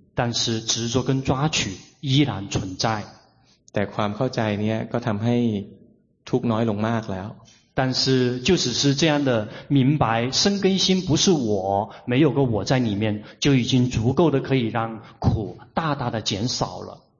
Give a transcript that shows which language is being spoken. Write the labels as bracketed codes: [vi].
[zh] 但是执着跟抓取依然存在 [th] แต่ความเข้าใจเนี้ยก็ทำให้ทุกข์น้อยลงมากแล้ว [zh] 但是就只是这样的明白生根心不是我，没有个我在里面，就已经足够的可以让苦大大的减少了。